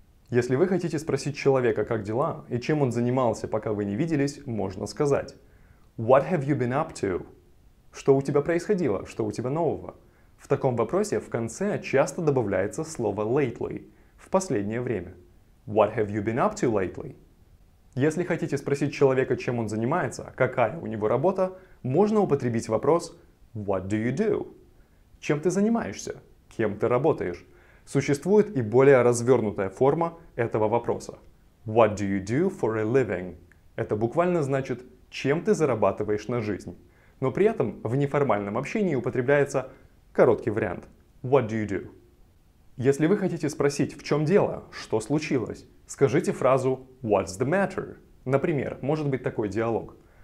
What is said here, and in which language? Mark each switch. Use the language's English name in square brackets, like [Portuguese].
[Russian] Если вы хотите спросить человека, как дела, и чем он занимался, пока вы не виделись, можно сказать [English] What have you been up to? [Russian] Что у тебя происходило? Что у тебя нового? В таком вопросе в конце часто добавляется слово lately, в последнее время. [English] What have you been up to lately? [Russian] Если хотите спросить человека, чем он занимается, какая у него работа, можно употребить вопрос [English] What do you do? [Russian] Чем ты занимаешься? Кем ты работаешь? Существует и более развернутая форма этого вопроса. [English] What do you do for a living? [Russian] Это буквально значит, чем ты зарабатываешь на жизнь. Но при этом в неформальном общении употребляется короткий вариант. [English] What do you do? [Russian] Если вы хотите спросить, в чем дело, что случилось, скажите фразу [English] What's the matter? [Russian] Например, может быть такой диалог.